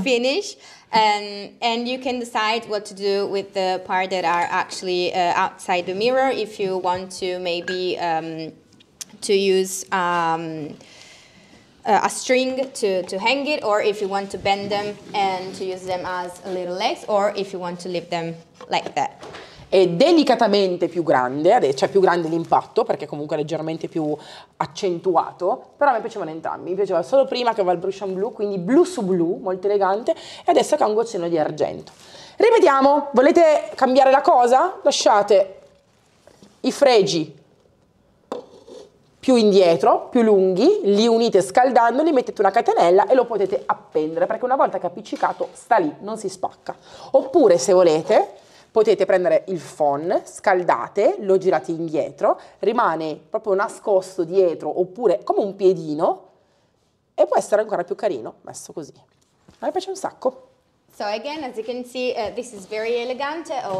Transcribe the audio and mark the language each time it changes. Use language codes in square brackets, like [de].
[en] Finish, and you can decide what to do with the part that are actually outside the mirror. If you want to maybe to use a string to hang it, or if you want to bend them and to use them as little legs, or if you want to leave them like that. [it] È delicatamente più grande, cioè più grande l'impatto, perché comunque è leggermente più accentuato, però a me piacevano entrambi. Mi piaceva solo prima che aveva il Prussian blu, quindi blu su blu, molto elegante, e adesso che ha un goccino di argento. Ripetiamo, volete cambiare la cosa? Lasciate i fregi più indietro, più lunghi, li unite scaldandoli, mettete una catenella e lo potete appendere, perché una volta che è appiccicato sta lì, non si spacca. Oppure, se volete... Potete prendere il phon, scaldate, lo girate indietro, rimane proprio nascosto dietro, oppure come un piedino, e può essere ancora più carino messo così. A me piace un sacco. [en] So again, as you can see, this is very elegant.